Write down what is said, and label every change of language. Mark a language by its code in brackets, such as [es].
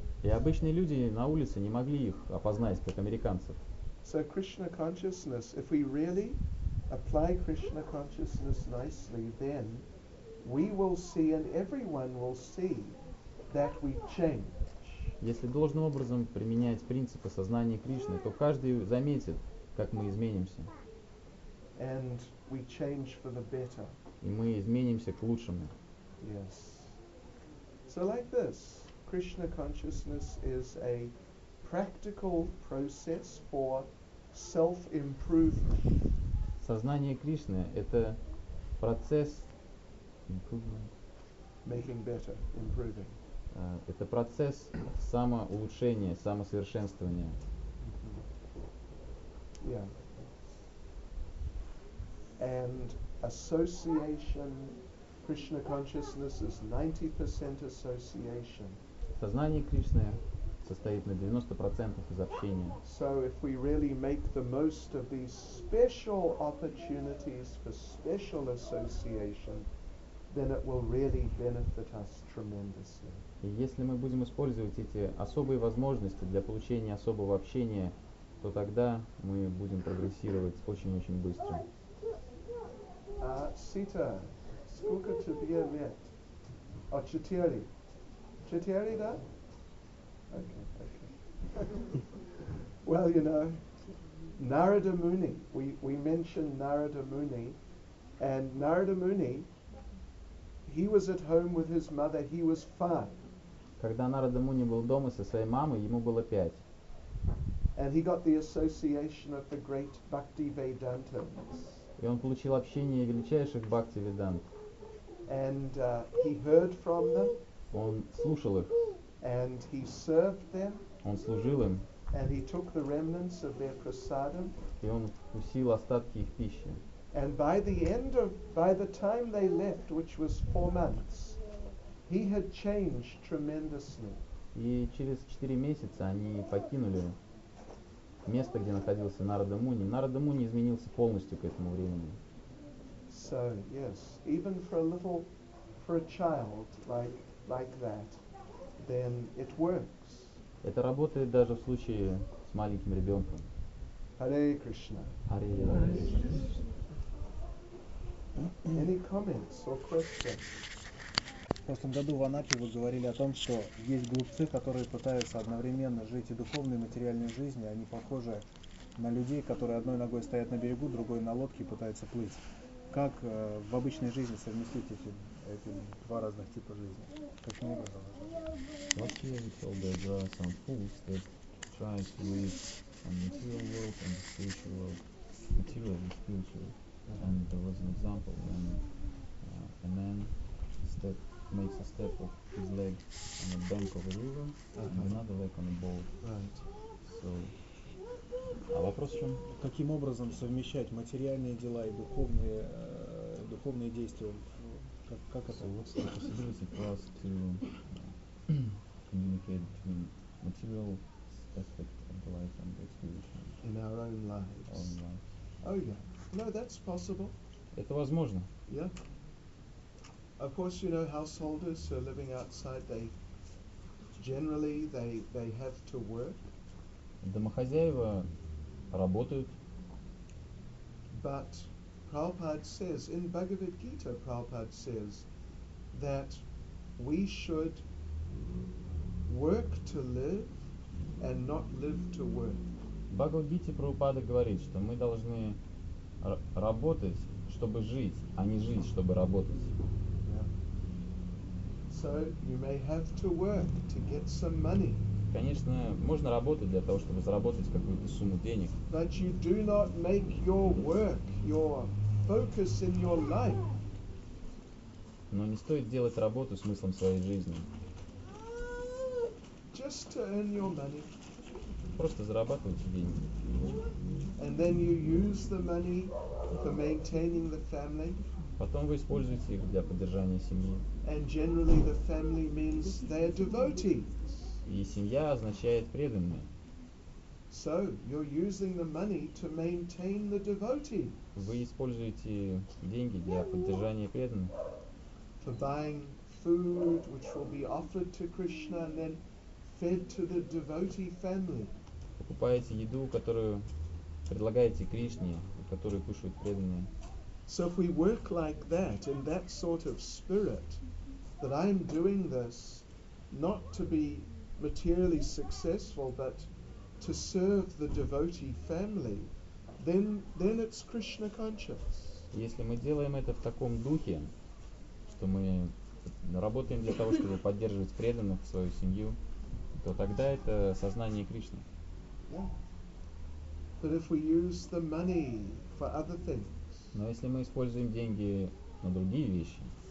[ru] И обычные люди на улице не могли их опознать как американцев. [en] So Krishna consciousness, if we really apply Krishna consciousness nicely, then we will see and everyone will see that we change. [ru] Если должным образом применять принципы сознания Кришны, то каждый заметит, как мы изменимся. [en] And we change for the better. [ru] И мы изменимся к лучшему. [en] Yes. So like this, Krishna consciousness is a practical process for self-improvement. [ru] Сознание Кришны — это процесс [en] making better, improving. [ru] Это процесс самоулучшения, самосовершенствования. [en] Mm-hmm. Yeah. And association, Krishna consciousness is 90% association. [ru] Сознание Кришны состоит на 90% из общения. [en] So if we really make the most of these special opportunities for special association, then it will really benefit us tremendously. [ru] Если мы будем использовать эти особые возможности для получения особого общения, то тогда мы будем прогрессировать очень-очень быстро. Sita, сколько тебе лет? А, четыре. Четыре, да? [en] Okay. Well, you know, Narada Muni. We mentioned Narada Muni, and Narada Muni, he was at home with his mother. He was 5. [ru] Когда Нарада Муни был дома со своей мамой, ему было 5. [en] And he got the association of the great Bhaktivedantins. [ru] И он получил общение величайших Бхактивидант. [en] And he heard from them. [ru] Он слушал их. [en] And he served them. [ru] Он служил им. [en] And he took the remnants of their prasadam. [ru] И он вкусил остатки их пищи. [en] And by the time they left, which was 4 months, he had changed tremendously. [ru] И через 4 месяца они покинули место, где находился Нарада Муни. Нарада Муни изменился полностью к этому времени. [en] So, yes, even for a child like that, then it works. [ru] Это работает даже в случае с маленьким ребёнком. [en] Hare Krishna. Hare Krishna. Any comments or questions? [ru] В прошлом году в Анапе вы говорили о том, что есть глупцы, которые пытаются одновременно жить и духовной, и материальной жизнью. Они похожи на людей, которые одной ногой стоят на берегу, другой на лодке и пытаются плыть. Как в обычной жизни совместить эти два разных типа жизни? Каким образом? [en] What you have told that there are some fools that try to live in the material world and the spiritual world, material and spiritual. And there was an example when a man makes a step of his leg on the bank of a river and another leg on a boat. Right. [ru] So, а вопрос в чем? Каким образом совмещать материальные дела и духовные духовные действия? Как это? [en] So what's the possibility for us to communicate between material aspect of the life and the spiritual? In our own lives. Own life. Oh yeah. No, that's possible. [ru] Это возможно. [en] Yeah. Of course, you know, householders who are living outside, they generally they have to work. [ru] Домохозяева работают. [en] But Prabhupada says in Bhagavad Gita, Prabhupada says that we should work to live and not live to work. [ru] Бхагавад Гите Прабхупада говорит, что мы должны работать, чтобы жить, а не жить, чтобы работать. [en] Yeah. So you may have to work to get some money. [ru] Конечно, можно работать для того, чтобы заработать какую-то сумму денег. [en] But you do not make your work your focus in your life. [ru] Но не стоит делать работу смыслом своей жизни. [en] Just to earn your money. [ru] просто зарабатываете деньги. [en] And then you use the money for maintaining the family. [ru] Потом вы используете их для поддержания семьи. [en] And generally the family means they are devotees. [ru] И семья означает преданные. [en] So you're using the money to maintain the devotee. [ru] Вы используете деньги для поддержания преданных. [en] For buying food, which will be offered to Krishna and then fed to the devotee family. [ru] Покупаете еду, которую предлагаете Кришне, которую кушают преданные. [en] So if we work like that, in that sort of spirit, that I'm doing this not to be materially successful, but to serve the devotee family, then it's Krishna conscious. [ru] Если мы делаем это в таком духе, что мы работаем для того, чтобы поддерживать преданных, свою семью, то тогда это сознание Кришны. [en] Yeah. But if we use the money for other things, [ru] но если мы используем деньги на другие вещи,